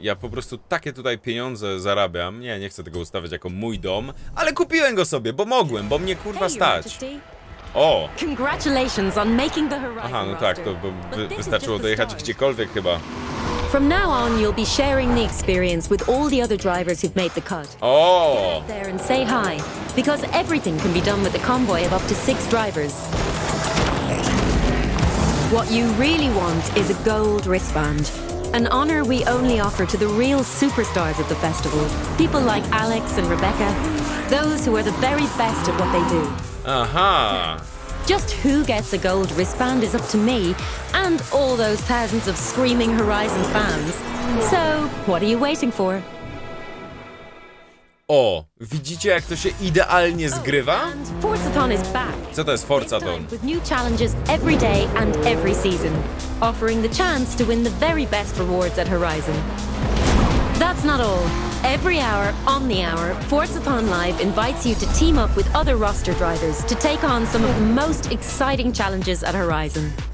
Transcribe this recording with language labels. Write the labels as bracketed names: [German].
[Polish] Ja po prostu takie tutaj pieniądze zarabiam. Nie, nie chcę tego ustawiać jako mój dom, ale kupiłem go sobie, bo mogłem, bo mnie kurwa stać. O! [English] Congratulations on making the horizon. [Polish] Aha, no tak, to wystarczyło dojechać gdziekolwiek chyba. [English] From now on you'll be sharing the experience with all the other drivers who've made the cut. Oh. There and say hi because everything can be done with a convoy of up to 6 drivers. What you really want is a gold wristband. An honor we only offer to the real superstars of the festival. People like Alex and Rebecca, those who are the very best at what they do. Aha. Just who gets a gold wristband is up to me and all those thousands of screaming Horizon fans. So, what are you waiting for? [Polish] O, widzicie, jak to się idealnie zgrywa? [English] Forzathon is back. [Polish] Co to jest Forzathon? [English] With new challenges every day and every season, offering the chance to win the very best rewards at Horizon. That's not all. Every hour, on the hour, Forzathon Live invites you to team up with other roster drivers to take on some of the most exciting challenges at Horizon.